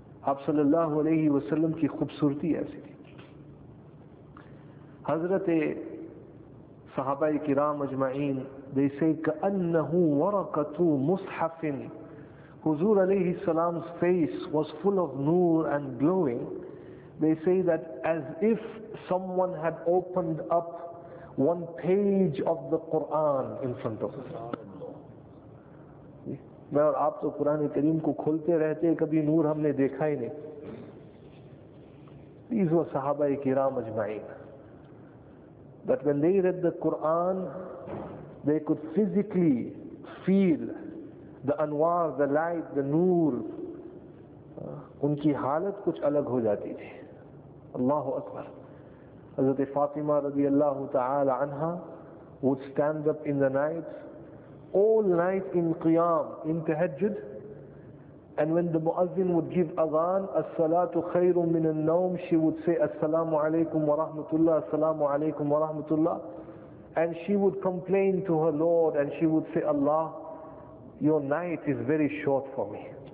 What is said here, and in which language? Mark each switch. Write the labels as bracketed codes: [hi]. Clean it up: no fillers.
[ur] آپ صلی اللہ علیہ وسلم کی خوبصورتی ایسی تھی. حضرت صحابہ کرام اجمعین, [en] they say [ar] كأنه ورقة مصحف. [en] حضور علیہ السلام's face was full of نور and glowing. They say that as if someone had opened up one page of the Quran in front of him. [ur] میں اور آپ تو قرآن کریم کو کھولتے رہتے ہیں, کبھی نور ہم نے دیکھا ہی نہیں. [en] These were صحابہ کرام اجمعین. But when they read the Quran, they could physically feel the anwar, the light, the نور. [ur] ان کی حالت کچھ الگ ہو جاتی تھی. اللہ اکبر. [en] حضرت فاطمہ رضی اللہ تعالی عنہ would stand up in the night, all night in Qiyam, in Tahajjud, and when the Muazzin would give Adhan, [ar] As-salatu khayrun min al-nawm, [en] she would say, As-salamu alaykum wa rahmatullah, As-salamu alaykum wa rahmatullah, and she would complain to her Lord, and she would say, Allah, your night is very short for me.